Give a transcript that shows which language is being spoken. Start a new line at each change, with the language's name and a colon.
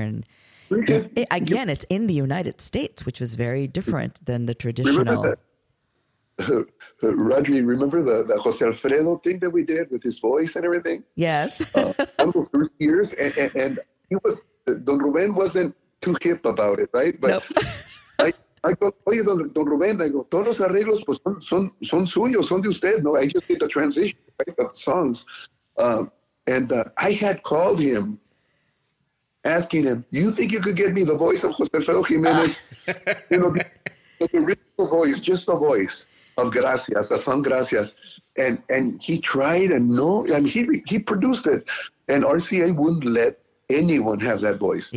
English: And it, again, it's in the United States, which was very different than the traditional. Rodri, remember the Jose Alfredo thing that we did with his voice and everything? Yes. One of the first years, and he was, Don Ruben wasn't too hip about it, right? But nope. I go,
Spanish: oye, Don Ruben, I go, todos los arreglos pues son suyos, son de usted.
English: No, I just did the transition, right, of the songs. I had called him, asking him, you think you could get me the voice of Jose Alfredo Jimenez? You know, the original voice, just the voice of Gracias, the song Gracias, and he tried, and no, and he produced it, and RCA wouldn't let anyone have that voice.